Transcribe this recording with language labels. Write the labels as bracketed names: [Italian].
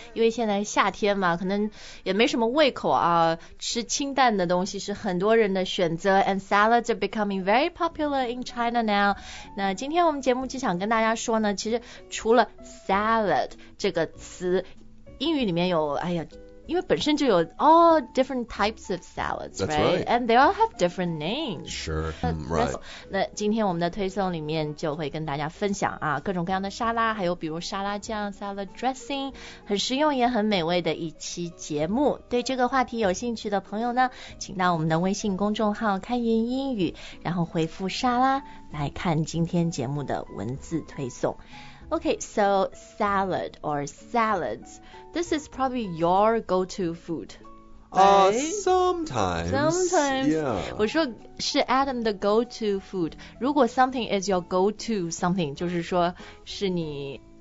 [Chinese] 因为现在夏天嘛，可能也没什么胃口啊，吃清淡的东西是很多人的选择。 [English] And salads are becoming very popular in China now. [Chinese] 那今天我们节目就想跟大家说呢，其实除了 salad 这个词，英语里面有，哎呀。因为本身就有 [English] all different types of salads, right? And they all have different names. Sure, right. [Chinese] 那今天我们的推送里面就会跟大家分享啊，各种各样的沙拉，还有比如沙拉酱 salad dressing, 很实用也很美味的一期节目。对这个话题有兴趣的朋友呢，请到我们的微信公众号开言英语，然后回复沙拉来看今天节目的文字推送。 [English] Okay, so salad or salads, this is probably your go-to food, right? Sometimes. Sometimes. Yeah. [Chinese] 我说是 Adam 的 go-to food. 如果 [English] something is your go-to something, [Chinese] 就是说是你